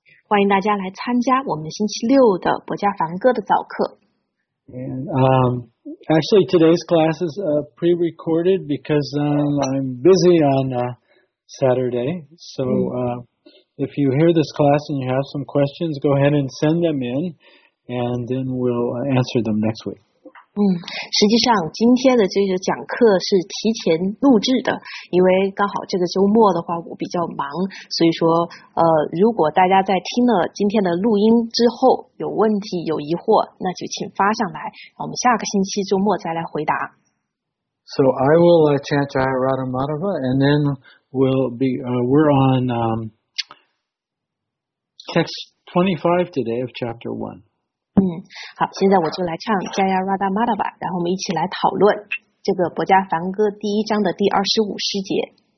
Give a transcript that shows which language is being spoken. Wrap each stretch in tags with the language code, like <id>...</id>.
<zh>欢迎大家来参加我们星期六的《博迦梵歌》的早课。</zh> <en>And actually, today's class is pre-recorded because I'm busy on Saturday. So if you hear this class and you have some questions, go ahead and send them in, and then we'll answer them next week.</en> <zh>实际上今天的这个讲课是提前录制的，因为刚好这个周末的话我比较忙，所以说如果大家在听了今天的录音之后有问题有疑惑，那就请发上来，我们下个星期周末再来回答。</zh> <en>So I will chant Jaya Radha Madhava, and then we'll be we're on text 25 today of chapter 1.</en> <zh>好，现在我就来唱 Jaya Radha Madhava， 然后我们一起来讨论这个《博迦梵歌》第一章的第25诗节。</zh>